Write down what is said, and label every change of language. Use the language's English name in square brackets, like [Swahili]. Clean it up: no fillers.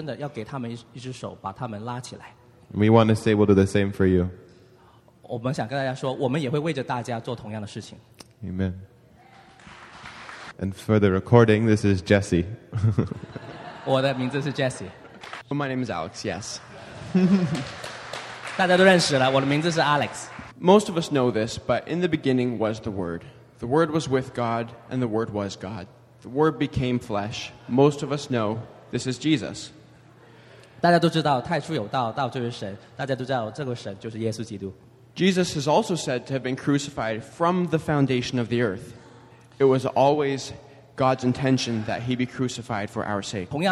[Chinese] 所以当我们看见自己有家人他们跌倒的时候，真的要给他们一只手，把他们拉起来。 [English] We want to say we'll do the same for you. [Chinese] 我们想跟大家说，我们也会为着大家做同样的事情。Amen. [English] And for the recording, this is Jesse. [Chinese] 我的名字是Jesse. [English] My name is Alex, yes. [Chinese] 大家都认识了，我的名字是Alex. [English] Most of us know this, but in the beginning was the Word. The Word was with God, and the Word was God. The Word became flesh. Most of us know this is Jesus. [Chinese] 大家都知道，太初有道，道就是神。大家都知道，这个神就是耶稣基督。 [English] Jesus is also said to have been crucified from the foundation of the earth. It was always God's intention that he be crucified for our sake.